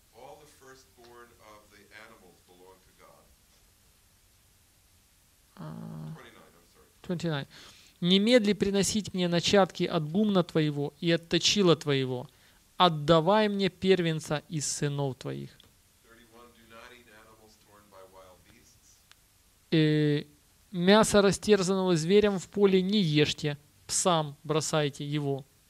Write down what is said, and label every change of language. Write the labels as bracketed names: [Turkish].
[English] All the firstborn of the animals belong to God. 29. [Russian] Немедли приносить мне начатки от гумна твоего и от точила твоего. Отдавай мне первенца из сынов твоих. 31. [English] Do not eat animals torn by wild beasts. [Russian] Мясо растерзанного зверем в поле не ешьте, псам бросайте его.